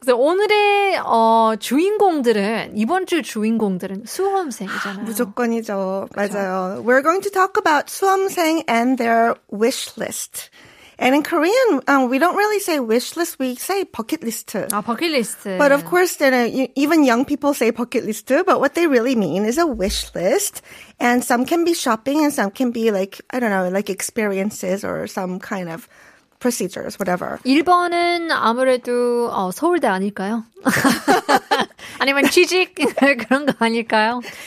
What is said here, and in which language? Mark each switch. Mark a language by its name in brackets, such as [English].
[Korean] So 오늘의 주인공들은, 이번 주 주인공들은 수험생이잖아요. 무조건이죠. 그쵸? 맞아요. [English] We're going to talk about 수험생 and their wish list. And in Korean, we don't really say wish list, we say bucket list. 아, bucket list. But of course, you know, even young people say bucket list, but what they really mean is a wish list. And some can be shopping and some can be like, I don't know, like experiences or some kind of procedures, whatever. [Korean] 1번은 아무래도 서울대 아닐까요? 아니면 취직 그런 거 아닐까요?